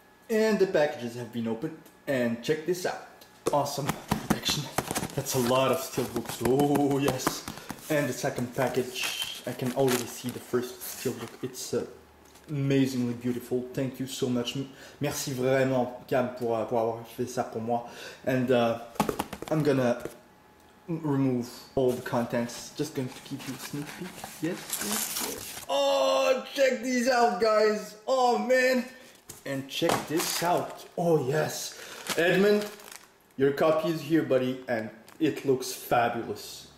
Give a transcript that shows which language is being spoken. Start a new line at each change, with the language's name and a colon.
English: And the packages have been opened, and check this out. Awesome protection. That's a lot of steelbooks. Oh yes. And the second package, I can already see the first steelbook. It's amazingly beautiful. Thank you so much.
French: Merci vraiment, Cam, pour avoir fait ça pour moi.
English: And I'm gonna remove all the contents. Just going to keep you a sneak peek. Yes. Oh, check these out, guys. Oh, man. And check this out. Oh, yes. Edmund, your copy is here, buddy. And it looks fabulous.